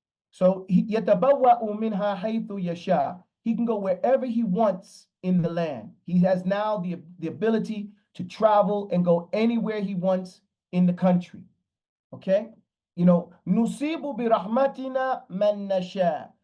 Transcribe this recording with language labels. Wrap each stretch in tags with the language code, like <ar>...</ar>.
<ar>So يَتَبَوَّأُ مِنْهَا حَيْثُ يَشَاءُ.</ar> <en>He can go wherever he wants in the land. He has now the ability to travel and go anywhere he wants in the country. Okay? You know,</en> <ar>نُصِيبُ بِرَحْمَتِنَا مَنْ نَشَاءُ.</ar>